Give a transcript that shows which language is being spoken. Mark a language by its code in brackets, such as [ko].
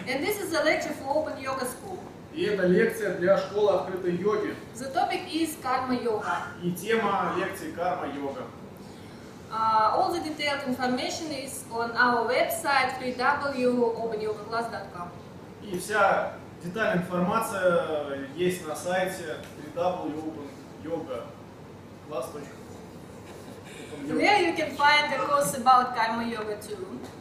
[en] And this is a lecture for Open Yoga School. [ru] И это лекция для школы открытой йоги. [en] The topic is Karma Yoga. [ru] И тема лекции Karma Yoga. [en] All the detailed information is on our website www.openyogaclass.com. [ru] И вся детальная информация есть на сайте www.openyogaclass.com. [en] There you can find a course about Karma Yoga too.